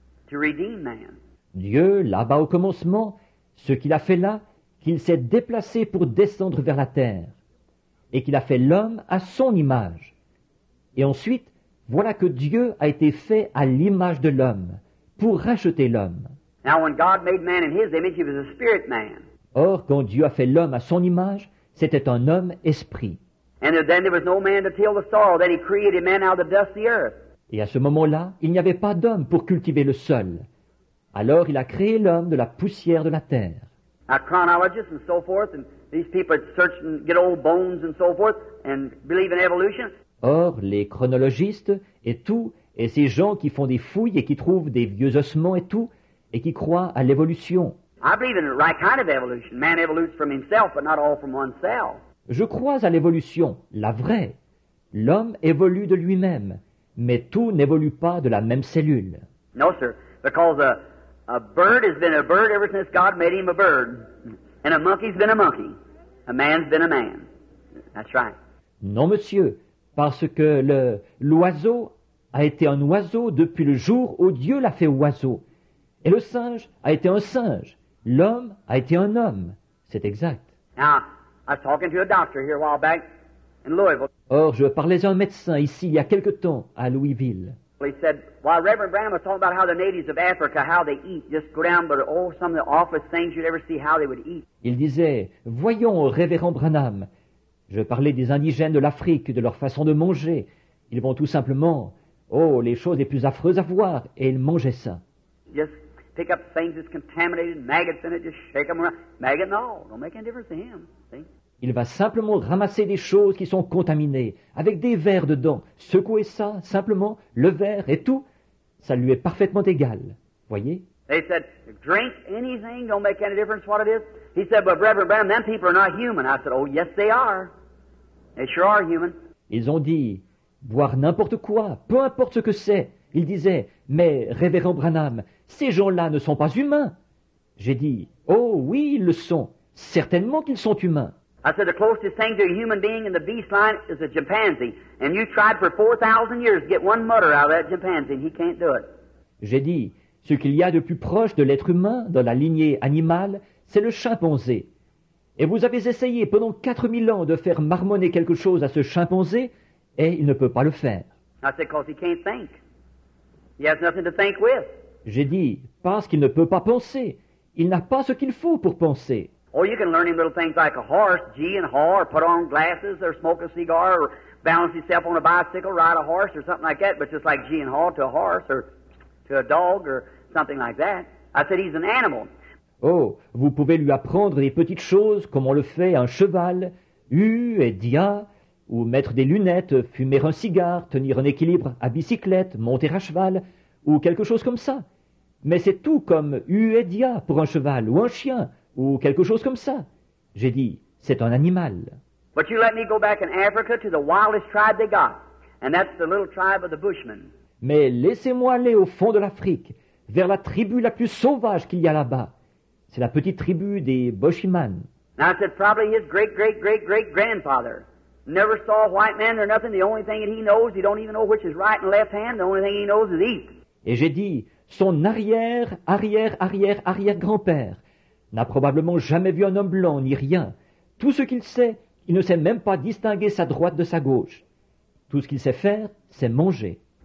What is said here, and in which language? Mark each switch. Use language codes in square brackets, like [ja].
[en] to redeem man. [fr] Dieu, là-bas au commencement, ce qu'il a fait là, qu'il s'est déplacé pour descendre vers la terre, et qu'il a fait l'homme à son image. Et ensuite, voilà que Dieu a été fait à l'image de l'homme, pour racheter l'homme. [en] Now, when God made man in his image, he was a spirit man. [fr] Or, quand Dieu a fait l'homme à son image, c'était un homme esprit. [en] And then there was no man to till the soil, then he created man out of the dust of the earth. [fr] Et à ce moment-là, il n'y avait pas d'homme pour cultiver le sol. Alors, il a créé l'homme de la poussière de la terre. [en] Now, chronologists and so forth, and these people search and get old bones and so forth, and believe in evolution. [fr] Or, les chronologistes et tout, et ces gens qui font des fouilles et qui trouvent des vieux ossements et tout, et qui croient à l'évolution. [en] I believe in the right kind of evolution. Man evolutes from himself, but not all from one cell. [fr] Je crois à l'évolution, la vraie. L'homme évolue de lui-même, mais tout n'évolue pas de la même cellule. [en] No, sir, because a bird has been a bird ever since God made him a bird, and a monkey's been a monkey, a man's been a man. That's right. [fr] Non, monsieur, parce que l'oiseau a été un oiseau depuis le jour où Dieu l'a fait oiseau, et le singe a été un singe, l'homme a été un homme. C'est exact. [en] Now, I was talking to a doctor here a while back in Louisville. [fr] Or, je parlais à un médecin ici il y a quelque temps à Louisville. [en] He said, while Reverend Branham was talking about how the natives of Africa, how they eat, just go down, but oh, some of the awfulest things you'd ever see, how they would eat. [fr] Il disait, voyons, Révérend Branham, je parlais des indigènes de l'Afrique, de leur façon de manger. Ils vont tout simplement, oh, les choses les plus affreuses à voir, et ils mangeaient ça. [en] Just pick up things that's contaminated, maggots in it, just shake them around. Maggot, no, don't make any difference to him. [fr] Il va simplement ramasser des choses qui sont contaminées, avec des vers dedans, secouer ça, simplement, le ver et tout, ça lui est parfaitement égal. Voyez? [en] They said, drink anything, don't make any difference what it is. He said, but Reverend Branham, them people are not human. I said, oh yes they are. They sure are human. [fr] Ils ont dit, boire n'importe quoi, peu importe ce que c'est. Ils disaient, mais Révérend Branham, ces gens-là ne sont pas humains. J'ai dit, oh oui, ils le sont. Certainement qu'ils sont humains. [en] I said, the closest thing to a human being in the beast line is a chimpanzee. And you tried for 4,000 years to get one mutter out of that chimpanzee, and he can't do it. [fr] J'ai dit, ce qu'il y a de plus proche de l'être humain dans la lignée animale, c'est le chimpanzé. Et vous avez essayé pendant 4,000 ans de faire marmonner quelque chose à ce chimpanzé, et il ne peut pas le faire. [en] I said, because he can't think. He has nothing to think with. [fr] J'ai dit, parce qu'il ne peut pas penser. Il n'a pas ce qu'il faut pour penser. [en] Oh, you can learn him little things like a horse, gee and haw, or put on glasses, or smoke a cigar, or balance himself on a bicycle, ride a horse, or something like that, but just like gee and haw to a horse, or to a dog, or something like that. I said, he's an animal. [fr] Oh, vous pouvez lui apprendre des petites choses comme on le fait à un cheval, hu et dia, ou mettre des lunettes, fumer un cigare, tenir un équilibre à bicyclette, monter à cheval, ou quelque chose comme ça. Mais c'est tout comme hu et dia pour un cheval ou un chien, ou quelque chose comme ça. J'ai dit, c'est un animal. [en] But you let me go back in Africa to the wildest tribe they got, and that's the little tribe of the Bushmen. [fr] Mais laissez-moi aller au fond de l'Afrique, vers la tribu la plus sauvage qu'il y a là-bas. C'est la petite tribu des Bushmen. [en] Now I said, probably his great-great-great-great-grandfather never saw a white man or nothing. The only thing that he knows, he don't even know which is right and left hand. The only thing he knows is eat. [fr] Et j'ai dit, son arrière-arrière-arrière-arrière-grand-père n'a probablement jamais vu un homme blanc, ni rien. Tout ce qu'il sait, il ne sait même pas distinguer sa droite de sa gauche. Tout ce qu'il sait faire, c'est manger.